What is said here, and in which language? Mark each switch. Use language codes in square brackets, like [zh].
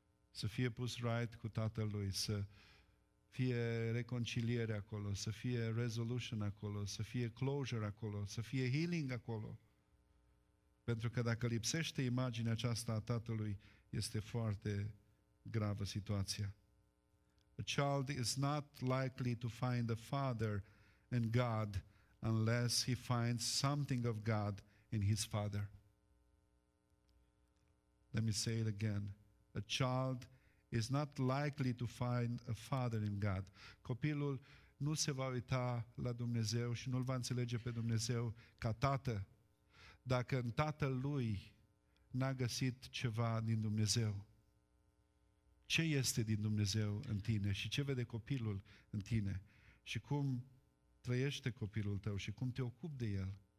[ro] Să fie pus right cu Tatăl lui, să fie reconciliere acolo, să fie resolution acolo, să fie closure acolo, să fie healing acolo. Pentru că dacă lipsește imaginea aceasta a tatălui, este foarte gravă situația. [en] A child is not likely to find a father in God unless he finds something of God in his father. Let me say it again. A child is not likely to find a father in God. [ro] Copilul nu se va uita la Dumnezeu și nu-L va înțelege pe Dumnezeu ca tată dacă în tatăl lui n-a găsit ceva din Dumnezeu. Ce este din Dumnezeu în tine și ce vede copilul în tine și cum trăiește copilul tău și cum te ocupi de el?